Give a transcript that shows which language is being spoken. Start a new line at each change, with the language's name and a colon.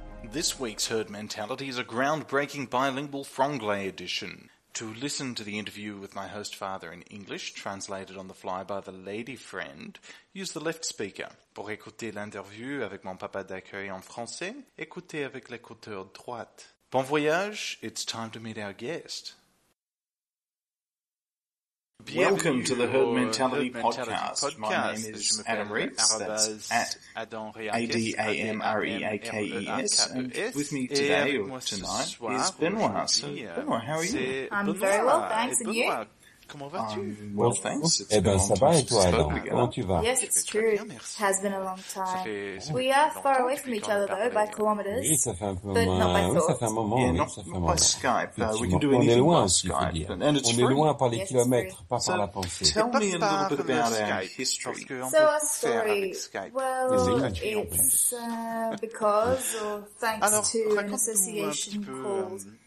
English: This week's Herd Mentality is a groundbreaking bilingual Franglais edition. To listen to the interview with my host father in English, translated on the fly by the lady friend, use the left speaker.
French: Pour écouter l'interview avec mon papa d'accueil en français, écoutez avec l'écouteur droite.
English: Bon voyage, it's time to meet our guest. Welcome to the Herd Mentality, podcast. My name is Adam Reeks, A-D-A-M-R-E-A-K-E-S, and with me today or tonight is Benoit. So, Benoit, how are you? I'm very well, thanks, and you?
French: Comment vas-tu?
English: Well, thanks.
French: Eh bien, ça va, et toi, Adam? Comment tu vas?
English: Yes, it's true. It has been a long time. We are far away from each other, though, by kilometers.
French: Oui, ça fait un moment. Ça fait un moment.
English: Not by Skype. We can do anything.
French: On est loin, si vous voulez. On est loin par les kilomètres, pas par la pensée.
English: Tell me a little bit about our history. So, our story. Well, it's because or thanks to an association called